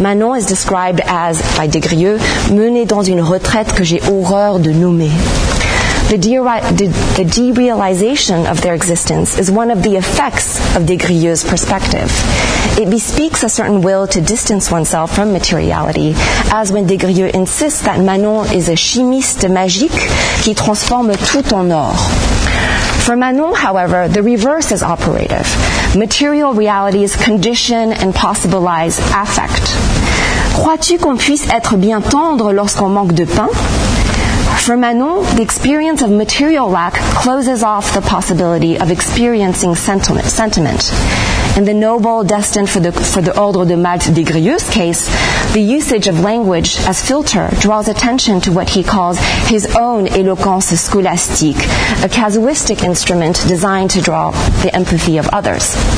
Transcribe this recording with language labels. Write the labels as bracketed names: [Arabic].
[English] Manon is described as, by Des Grieux, [French] menée dans une retraite que j'ai horreur de nommer. [English] The derealization of their existence is one of the effects of Des Grieux's perspective. It bespeaks a certain will to distance oneself from materiality, as when Des Grieux insists that Manon is a [French] chimiste magique qui transforme tout en or. [English] For Manon, however, the reverse is operative. Material realities condition and possibilize affect. [French] Crois-tu qu'on puisse être bien tendre lorsqu'on manque de pain? [English] For Manon, the experience of material lack closes off the possibility of experiencing sentiment. In the noble destined for the Ordre de Malte des Grieux case, the usage of language as filter draws attention to what he calls his own [French] éloquence scolastique, [English] a casuistic instrument designed to draw the empathy of others.